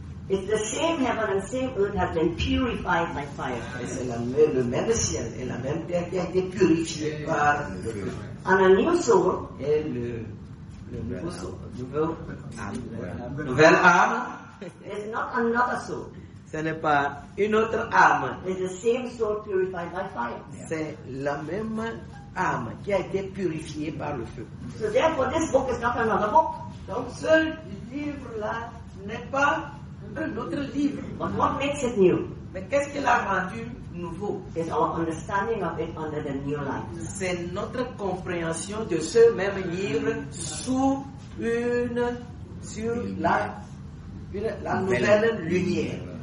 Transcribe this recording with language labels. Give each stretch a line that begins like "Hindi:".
English: It's the same heaven and same earth has been purified by fire.
French: C'est le même ciel et la même terre qui a été purifiée par le feu.
English: And a new soul.
French: Et le nouvelle âme.
English: It's not another soul.
French: Ce n'est pas une autre âme.
English: It's the same soul purified by fire. Yeah.
French: C'est la même âme qui a été purifiée par le feu.
English: So therefore, this book is not another book.
French: Donc ce livre-là n'est pas un autre livre.
English: But what makes it new?
French: Mais qu'est-ce qui l'a rendu nouveau?
English: It's our understanding of it under the new light.
French: C'est notre compréhension de ce même livre sur la nouvelle lumière.